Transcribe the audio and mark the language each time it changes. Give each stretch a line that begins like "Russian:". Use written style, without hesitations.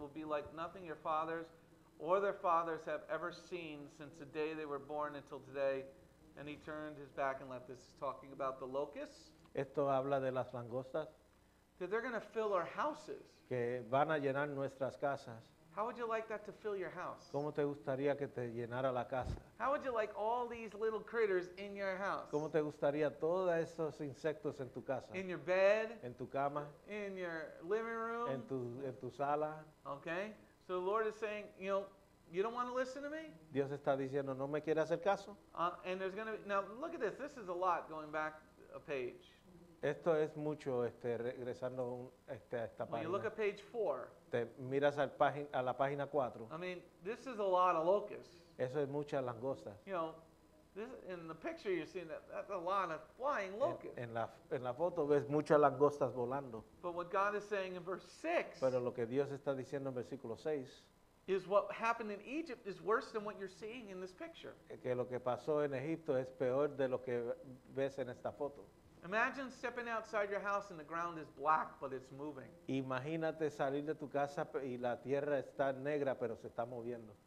English: It will be like nothing your fathers or their fathers have ever seen since the day they were born until today. And he turned his back and left. This is talking about the locusts.
Spanish: Esto habla de las langostas.
English: That they're going to fill our houses.
Spanish: Que van a llenar nuestras casas.
English: How would you like that to fill your house?
Spanish: ¿Cómo te gustaría que te llenara la casa?
English: How would you like all these little critters in your house?
Spanish: ¿Cómo te gustaría todos esos insectos en tu casa?
English: In your bed.
Spanish: En tu cama.
English: In your living room.
Spanish: En tu sala.
English: Okay. So the Lord is saying, you know, you don't want to listen to me?
Spanish: Dios está diciendo, no me quiere hacer caso.
English: And there's going to be, now look at this. This is a lot going back a page.
Spanish: Esto es mucho regresando a esta página.
English: When you look at page 4.
Spanish: Te miras a la página 4.
English: I mean, this is a lot of locusts.
Spanish: Eso es muchas langostas.
English: You know, this in the picture you're seeing, that's a lot of flying locusts.
Spanish: En la foto ves muchas langostas volando.
English: But what God is saying in verse 6.
Spanish: Pero lo que Dios está diciendo en versículo 6.
English: Is what happened in Egypt is worse than what you're seeing in this picture.
Spanish: Que lo que pasó en Egipto es peor de lo que ves en esta foto.
English: Imagine stepping outside your house and the ground is black, but it's moving.
Spanish: Imagínate salir de tu casa y la tierra está negra, pero se está moviendo.